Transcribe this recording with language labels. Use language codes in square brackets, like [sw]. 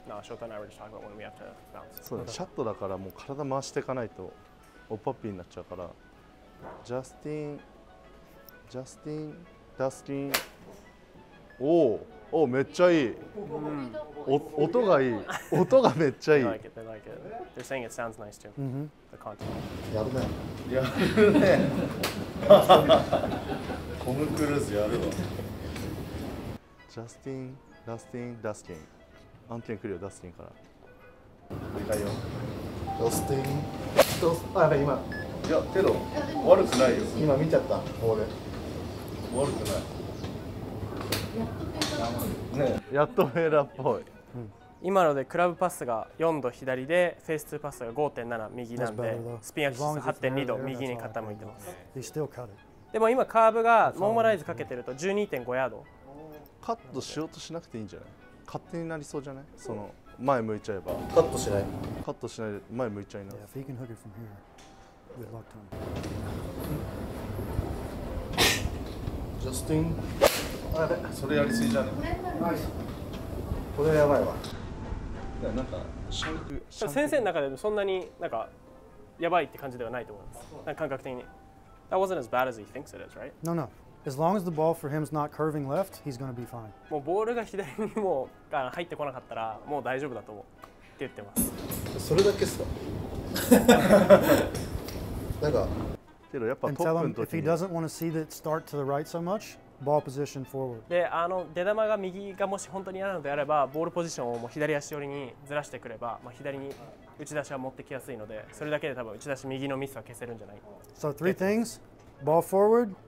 [en] No, Shota and I were just talking about when we have to bounce. So, okay. [ja] Shot だからもう体回していかないとオッパピーになっちゃうから。 [en] Justin, Justin, Dustin. [ja] Oh, oh, めっちゃいい。 Mm. 音がいい。音がめっちゃいい。 [en] They like it. They like it. They're saying it sounds nice too. Mm-hmm. The content. [ja] やるね。やるね。トム・クルーズやるわ。ジャスティン、ダスティン、ダスティン。案件来るよ、ダスティンから。でかいよ。ダスティン。あ、やばい、今。いや、けど、悪くないよ。今見ちゃった、俺。悪くない。やっとフェーラーっぽい。今のでクラブパスが4度左で、フェース2パスが 5.7 右なんで、スピンアクシス 8.2 度右に傾いてます。でも今、カーブがノーマライズかけてると 12.5 ヤード。カットしようとしなくていいんじゃない、勝手になりそうじゃない、その前向いちゃえば。カットしない、カットしないで前向いちゃいな。 [en] Yeah, if he can hook it from here, good luck to him. Justin? [ja] あれ、それやりすぎじゃない、ナイス。これやばいわ。いや、なんかシャンク… シャンク先生の中でもそんなになんかやばいって感じではないと思います、なんか感覚的に。 [en] That wasn't as bad as he thinks it is, right? No, no. As long as the ball for him is not curving left, he's going to be fine. [ja] もうボールが左にも入ってこなかったらもう大丈夫だと思うって言ってます。それだけっすか。なんか、けどやっぱトップの時に。 [en] And tell him if he doesn't want to see that start to the right so much, ball position forward. [ja] で、あの出球が右がもし本当に嫌なのであれば、ボールポジションをもう左足寄りにずらしてくれば、まあ、左に打ち出しは持ってきやすいので、それだけで多分打ち出し右のミスは消せるんじゃない。 [en] So three things: ball forward.